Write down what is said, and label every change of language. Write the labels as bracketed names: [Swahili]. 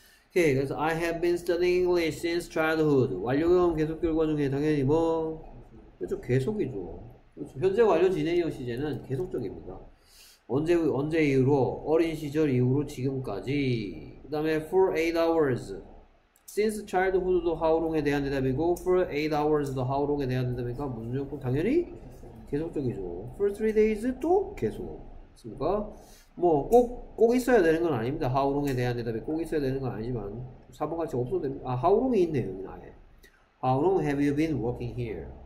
[English] Okay, [Korean] 그래서 [English] I have been studying English since childhood. [Korean] 완료형 계속 결과 중에 당연히 뭐 그렇죠, 계속이죠. 그렇죠. 현재 완료 진행형 시제는 계속적입니다. 언제 이후로 어린 시절 이후로 지금까지 그 다음에 for 8 hours Since childhood도 how long에 대한 대답이고 For 8 hours도 how long에 대한 대답이니까 무슨 조건? 당연히 계속적이죠. For 3 days도 계속 그렇습니까? 뭐 꼭 있어야 되는 건 아닙니다. How long에 대한 대답이 꼭 있어야 되는 건 아니지만 4번같이 없어도 됩니다. 아, how long이 있네요. 여기 아예 [English] How long have you been working here?